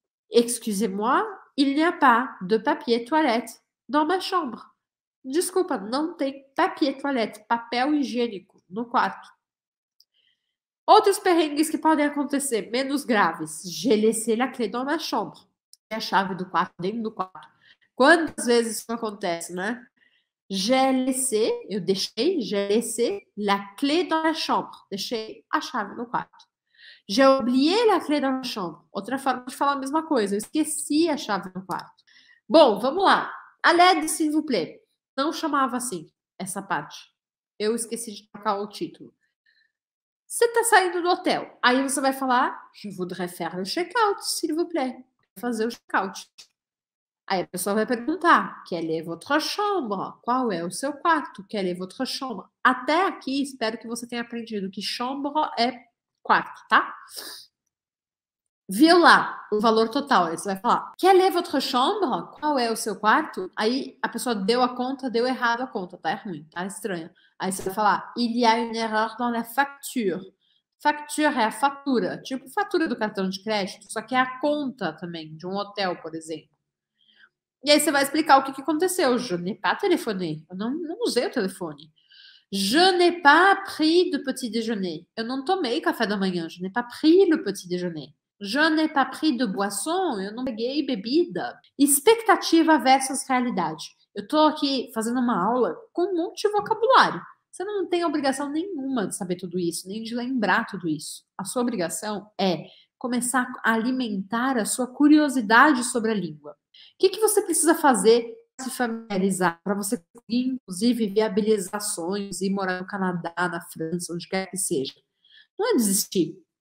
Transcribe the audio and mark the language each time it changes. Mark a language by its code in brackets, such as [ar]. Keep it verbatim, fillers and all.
[fr] Excusez-moi, il n'y a pas de papier toilette dans ma chambre. [pt] Desculpa, não tem [fr] papier toilette, [pt] papel higiênico no quarto. Outros perrengues que podem acontecer, menos graves. [fr] J'ai laissé la clé dans ma chambre. [pt] É a chave do quarto, dentro do quarto. Quantas vezes isso acontece, né? [fr] J'ai laissé, [pt] eu deixei, [fr] j'ai laissé la clé dans la chambre. [pt] Deixei a chave no quarto. [fr] J'ai oublié la clé dans la chambre. [pt] Outra forma de falar a mesma coisa. Eu esqueci a chave no quarto. Bom, vamos lá. [fr] A l'aide, s'il vous plaît. [pt] Não chamava assim, essa parte. Eu esqueci de trocar o título. Você está saindo do hotel. Aí você vai falar, [fr] je voudrais faire le check-out, s'il vous plaît. [pt] Fazer o check-out. Aí a pessoa vai perguntar, [fr] quelle est votre chambre? [pt] Qual é o seu quarto? [fr] Quelle est votre chambre? [pt] Até aqui, espero que você tenha aprendido que chambre é quarto, tá? Viu lá o valor total, aí você vai falar, [fr] quelle est votre chambre? [pt] Qual é o seu quarto? Aí a pessoa deu a conta, deu errado a conta, tá? É ruim, tá? É estranha. Aí você vai falar, [fr] il y a une erreur dans la facture. [pt] Facture é a fatura, tipo fatura do cartão de crédito, só que é a conta também, de um hotel, por exemplo. E aí você vai explicar o que, que aconteceu. [fr] Je n'ai pas téléphoné. [pt] Eu não, não usei o telefone. [fr] Je n'ai pas pris de petit déjeuner. [pt] Eu não tomei café da manhã. [fr] Je n'ai pas pris le petit déjeuner. Je n'ai pas pris de boisson, [pt] eu não peguei bebida. Expectativa versus realidade. Eu estou aqui fazendo uma aula com um monte de vocabulário. Você não tem obrigação nenhuma de saber tudo isso, nem de lembrar tudo isso. A sua obrigação é começar a alimentar a sua curiosidade sobre a língua. O que, que você precisa fazer para se familiarizar, para você conseguir, inclusive, viabilizar sonhos e morar no Canadá, na França, onde quer que seja? Não é desistir.